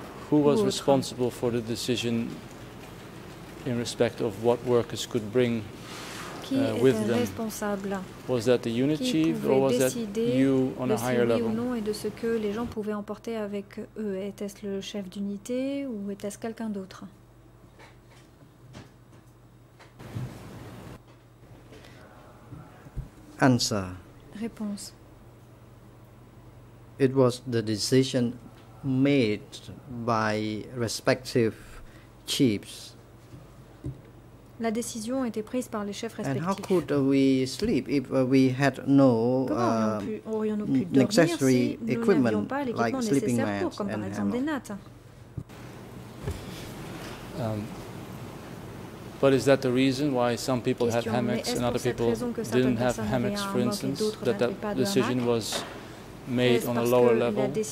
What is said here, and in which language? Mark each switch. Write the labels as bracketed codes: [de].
[en] Who was responsible for the decision in respect of what workers could bring with them? Was that the unit chief or was that you on a higher level? [fr] Non, et de ce que les gens pouvaient emporter avec eux, était-ce le chef d'unité ou était-ce quelqu'un d'autre? [en] Answer. [fr] Réponse. [en] It was the decision made by respective chiefs. [fr] La décision était prise par les chefs respectifs. [en] And how could we sleep if we had no necessary equipment like sleeping mats and hammocks? But is that the reason why some people had hammocks and other people didn't have hammocks, for instance, that that decision was made on a lower level?